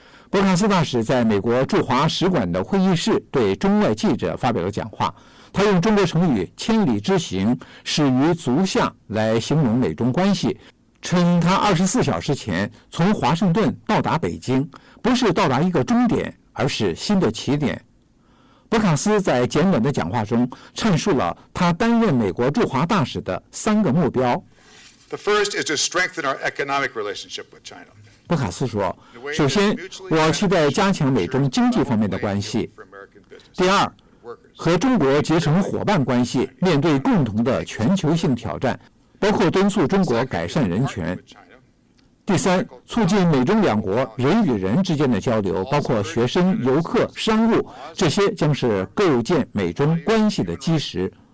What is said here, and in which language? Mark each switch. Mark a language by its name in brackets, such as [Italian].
[Chinese] 博卡斯大使在美国驻华使馆的会议室对中外记者发表了讲话，他用中国成语千里之行始于足下来形容美中关系，称他24小时前从华盛顿到达北京，不是到达一个终点，而是新的起点。布卡斯在简短的讲话中阐述了他担任美国驻华大使的三个目标。 [English] The first is to strengthen our economic relationship with China. [Chinese] 布卡斯说，首先我期待加强美中经济方面的关系，第二和中国结成伙伴关系，面对共同的全球性挑战，包括敦促中国改善人权，第三，促进美中两国人与人之间的交流，包括学生、游客、商务，这些将是构建美中关系的基石。